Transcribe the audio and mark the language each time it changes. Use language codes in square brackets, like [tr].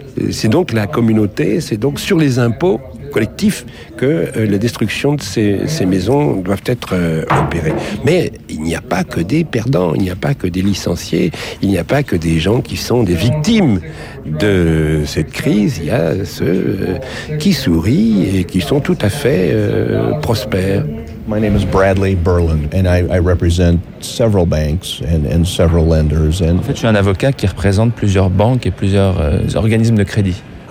[fr] C'est donc la communauté, c'est donc sur les impôts collectif que la destruction de ces maisons doivent être opérées. Mais il n'y a pas que des perdants, il n'y a pas que des licenciés, il n'y a pas que des gens qui sont des victimes de cette crise. Il y a ceux qui sourient et qui sont tout à fait prospères. [en] My name is Bradley Berland and I represent several banks and several lenders. [fr] En fait, je suis un avocat qui représente plusieurs banques et plusieurs organismes de crédit.